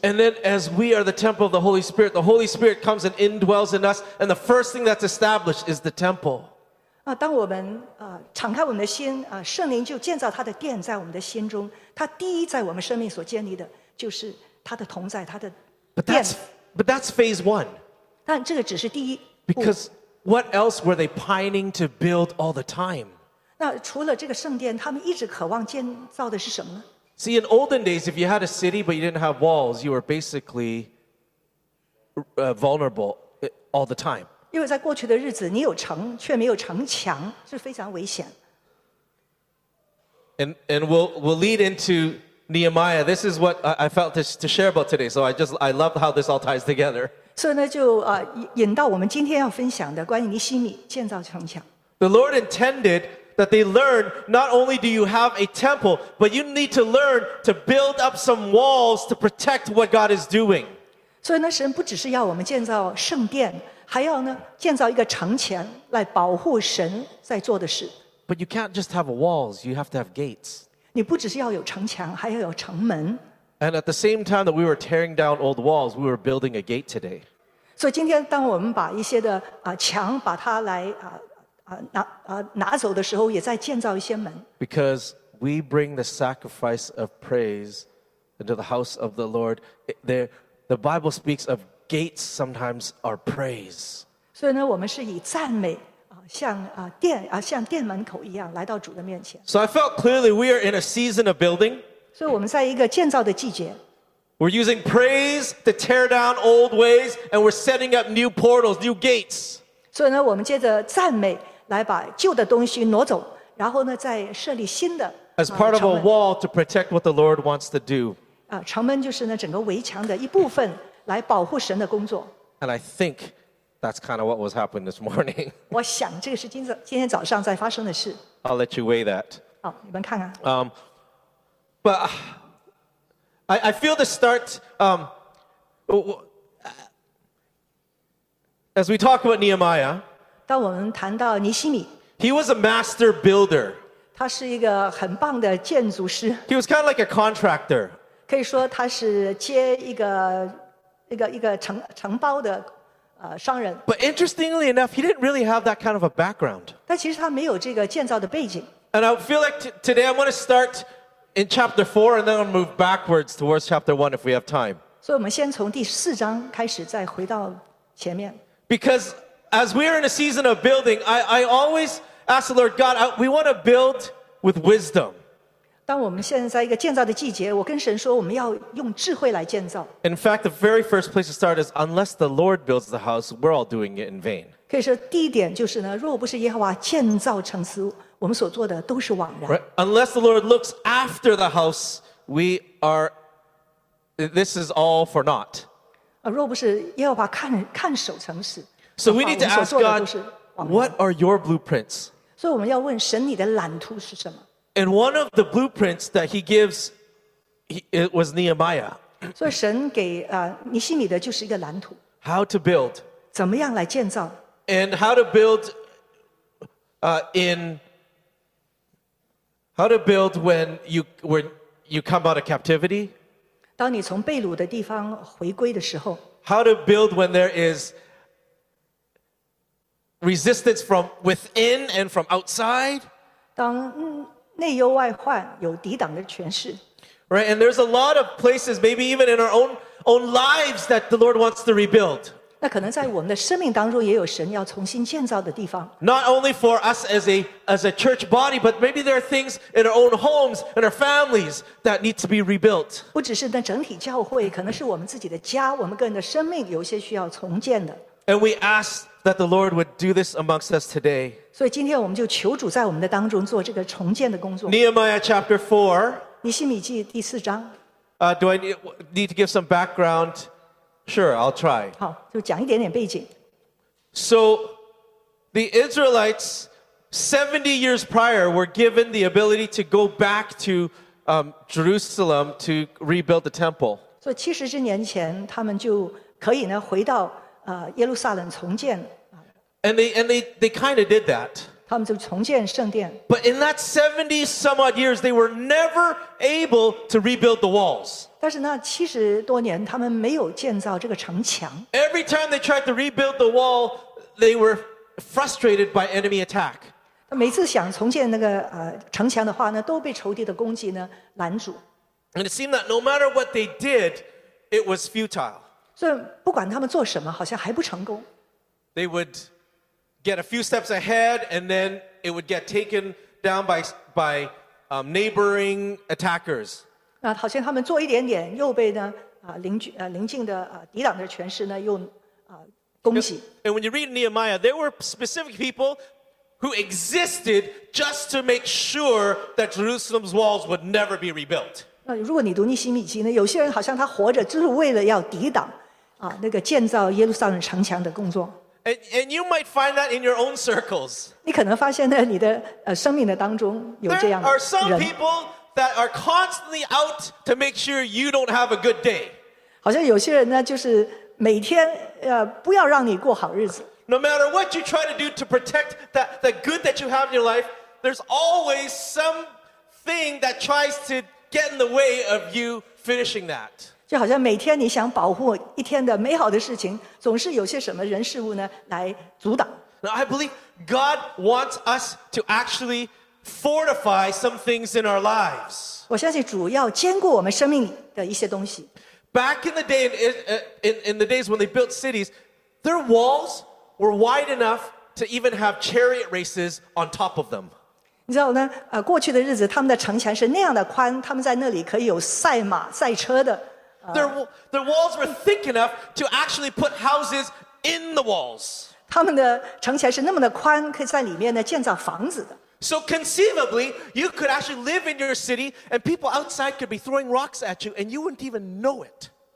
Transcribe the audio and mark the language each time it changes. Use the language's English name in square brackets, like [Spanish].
[English] And then, as we are the temple of the Holy Spirit comes and indwells in us, and the first thing that's established is the temple. [Chinese] 当我们敞开我们的心，圣灵就建造他的殿在我们的心中。他第一在我们生命所建立的就是他的同在，他的殿。 [English] But that's But that's phase one. [Chinese] 但这个只是第一。 [English] Because what else were they pining to build all the time? [Chinese] 那除了这个圣殿，他们一直渴望建造的是什么呢？ [English] See, in olden days, if you had a city but you didn't have walls, you were basically vulnerable all the time. [Chinese] 因为在过去的日子，你有城却没有城墙，是非常危险。 [English] And we'll lead into Nehemiah. This is what I felt to share about today. So I love how this all ties together. [Chinese] 所以呢，就引到我们今天要分享的关于尼希米建造城墙。 [English] The Lord intended that they learn not only do you have a temple, but you need to learn to build up some walls to protect what God is doing. [Chinese] 所以呢，神不只是要我们建造圣殿，还要呢建造一个城墙来保护神在做的事。 [English] But you can't just have walls, you have to have gates. [Chinese] 你不只是要有城墙，还要有城门。 [English] And at the same time that we were tearing down old walls, we were building a gate today. [Chinese] 所以今天当我们把一些的墙把它来拿走的时候，也在建造一些门。 [English] Because we bring the sacrifice of praise into the house of the Lord. The Bible speaks of gates sometimes are praise. [Chinese] 所以呢，我们是以赞美像殿门口一样来到主的面前。 [English] So I felt clearly we are in a season of building. [Chinese] 所以我们在一个建造的季节。 [English] We're using praise to tear down old ways, and we're setting up new portals, new gates. [Chinese] 所以呢，我们接着赞美来把旧的东西挪走，然后呢，再设立新的。 [English] As part of a wall to protect what the Lord wants to do. [Chinese] 城门就是呢整个围墙的一部分，来保护神的工作。 [English] And I think. That's kind of what was happening this morning. [Chinese] 我想这个是今天早上在发生的事。 [English] I'll let you weigh that. [Chinese] 好，你们看看。 [English] But I feel the start. As we talk about Nehemiah, [Chinese] 当我们谈到尼希米 [English] he was a master builder. [Chinese] 他是一个很棒的建筑师。 [English] He was kind of like a contractor. [Chinese] 可以说他是接一个承包的。商人。 [English] But interestingly enough, he didn't really have that kind of a background. [Chinese] 但其实他没有这个建造的背景。 [English] And I feel like today I want to start in chapter 4 and then I'll move backwards towards chapter 1 if we have time. [Chinese] 所以我们先从第四章开始再回到前面。 [English] Because as we are in a season of building, I always ask the Lord, God, we want to build with wisdom. [Chinese] 当我们现在在一个建造的季节，我跟神说，我们要用智慧来建造。 [English] In fact, the very first place to start is unless the Lord builds the house, we're all doing it in vain. [Chinese] 可以说第一点就是呢，若不是耶和华建造城池，我们所做的都是枉然。 [English] Right? Unless the Lord looks after the house, this is all for naught. [Chinese] 若不是耶和华看守城池， [English] So we need to ask God, what are your blueprints? [Chinese] 所以我们要问神，你的蓝图是什么？ [English] And one of the blueprints that he gives, it was Nehemiah. [Chinese] 所以神给尼希米的就是一个蓝图。 [English] How to build? [Chinese] 怎么样来建造？ [English] And how to build? How to build when you come out of captivity? [Chinese] 当你从被掳的地方回归的时候。 [English] How to build when there is resistance from within and from outside? [Chinese] 当内忧外患，有抵挡的权势。 [English] Right, and there's a lot of places, maybe even in our own lives, that the Lord wants to rebuild. [Chinese] 那可能在我们的生命当中，也有神要重新建造的地方。 [English] Not only for us as a church body, but maybe there are things in our own homes and our families that need to be rebuilt. [Chinese] 不只是那整体教会，可能是我们自己的家，我们个人的生命有些需要重建的。 [English] And we ask that the Lord would do this amongst us today. [Chinese] 所以今天我们就求主在我们的当中做这个重建的工作。 [English] Nehemiah chapter 4. [Chinese] 尼希米记第四章。 [English] Do I need to give some background? Sure, I'll try. [Chinese] 好，就讲一点点背景。 [English] So, the Israelites, 70 years prior, were given the ability to go back to Jerusalem to rebuild the temple. [Chinese] 所以70之年前，他们就可以呢回到耶路撒冷重建。 [English] And they kind of did that. [Chinese] 他们就重建圣殿。 [English] But in that 70 some odd years, they were never able to rebuild the walls. [Chinese] 但是那70多年，他们没有建造这个城墙。 [English] Every time they tried to rebuild the wall, they were frustrated by enemy attack. [Chinese] 每次想重建那个城墙的话呢，都被仇敌的攻击呢拦阻。 [English] And it seemed that no matter what they did, it was futile. [Chinese] 所以不管他们做什么，好像还不成功。 [English] They would get a few steps ahead, and then it would get taken down by neighboring attackers. [Chinese] 那好像他们做一点点，又被呢邻近的抵挡的权势呢又攻击。 [English] And when you read Nehemiah, there were specific people. Who existed just to make sure that Jerusalem's walls would never be rebuilt? [Chinese] 如果你读尼希米记呢，有些人好像他活着就是为了要抵挡啊那个建造耶路撒冷城墙的工作。 [English] And you might find that in your own circles. [Chinese] 你可能发现在你的生命的当中有这样的人。 [English] There are some people that are constantly out to make sure you don't have a good day. [Chinese] 好像有些人呢，就是每天不要让你过好日子。 [English] No matter what you try to do to protect that good that you have in your life, there's always something that tries to get in the way of you finishing that. [Chinese] 就好像每天你想保护一天的美好的事情，总是有些什么人事物呢来阻挡。 [English] Now I believe God wants us to actually fortify some things in our lives. [Chinese] 我相信主要坚固我们生命里的一些东西。 [English] Back in the day, in the days when they built cities, their walls. Were wide enough to even have chariot races on top of them. [Chinese] 你知道呢？过去的日子，他们的城墙是那样的宽，他们在那里可以有赛马、赛车的。 [English] Their walls were thick enough to actually put houses in the walls. [Chinese] 他们的城墙是那么的宽，可以在里面呢建造房子的。 [English] So conceivably, you could actually live in your city, and people outside could be throwing rocks at you, and you wouldn't even know it.